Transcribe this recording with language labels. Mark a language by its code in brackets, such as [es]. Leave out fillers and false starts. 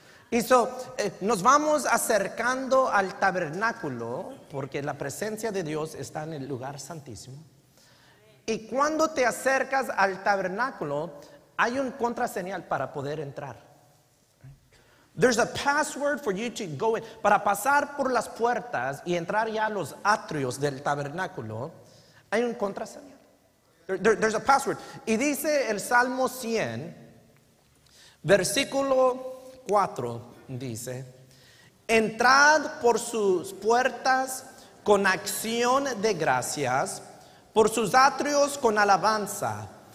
[es] Y so, nos vamos acercando al tabernáculo porque la presencia de Dios está en el lugar santísimo. Y cuando te acercas al tabernáculo, hay un contraseñal para poder entrar. [en] There's a password for you to go in. [es] Para pasar por las puertas y entrar ya a los atrios del tabernáculo, hay un contraseñal. [en] There's a password. [es] Y dice el Salmo 100, versículo 4, dice: entrad por sus puertas con acción de gracias, por sus atrios con alabanza.